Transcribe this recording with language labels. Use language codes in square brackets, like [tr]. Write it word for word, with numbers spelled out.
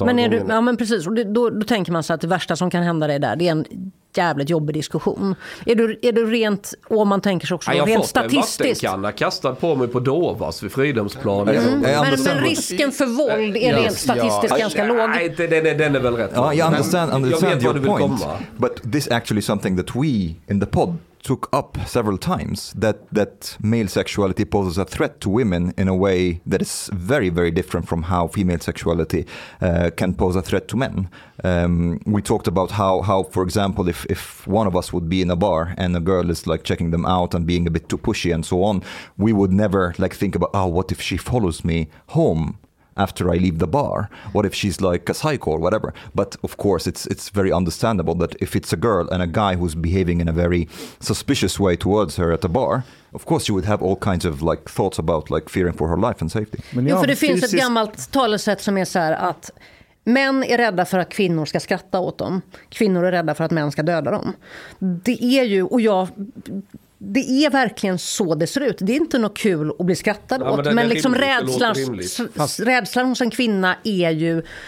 [sv] men är du, ja men precis, och det, då, då tänker man så att det värsta som kan hända dig där, det är en jävligt jobbig diskussion. Är du, är du rent, och man tänker sig också ja, rent statistiskt. Jag har fått en vattenkanna kastad på mig på Dovas vid Fridhemsplanen. Mm. Mm. Men, men risken för våld är rent statistiskt ganska låg. Nej, den är väl rätt. Jag vet vad du vill komma. [en] But this actually something that we in the pod took up several times, that, that male sexuality poses a threat to women in a way that is very, very different from how female sexuality uh, can pose a threat to men. Um, we talked about how, how for example, if, if one of us would be in a bar and a girl is like checking them out and being a bit too pushy and so on, we would never like think about, oh, what if she follows me home after I leave the bar? What if she's like a psycho or whatever? But of course, it's it's very understandable that if it's a girl and a guy who's behaving in a very suspicious way towards her at the bar, of course you would have all kinds of like thoughts about like fearing for her life and safety. [sv] Men ja, för det finns ett gammalt talesätt som är så här att män är rädda för att kvinnor ska skratta åt dem. Kvinnor är rädda för att män ska döda dem. Det är ju, och jag... Det är verkligen så det ser ut. Det är inte något kul att bli skrattad ja, åt. Men, det, men det liksom rädslan, rädslan hos en kvinna är ju...